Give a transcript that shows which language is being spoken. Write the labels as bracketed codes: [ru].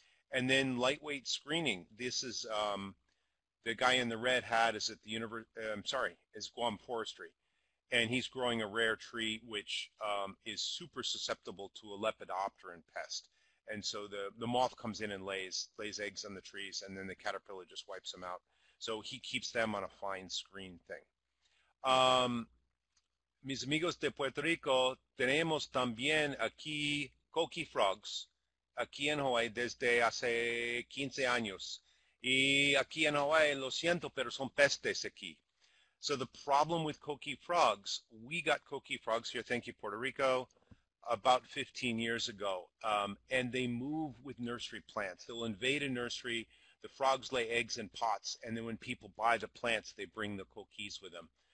[en] And then lightweight screening. This is the guy in the red hat is at the is Guam Forestry, and he's growing a rare tree which is super susceptible to a lepidopteran pest. And so the moth comes in and lays eggs on the trees, and then the caterpillar just wipes them out. So he keeps them on a fine screen thing. [es] Mis amigos de Puerto Rico, tenemos también aquí coqui frogs. Aquí en Hawaii desde hace 15 años. Y aquí en Hawaii, lo siento, pero son pestes aquí. [en] So the problem with coqui frogs, we got coqui frogs here, thank you, Puerto Rico, about 15 years ago. And they move with nursery plants. They'll invade a nursery. The frogs lay eggs in pots. And then when people buy the plants, they bring the coquis with them.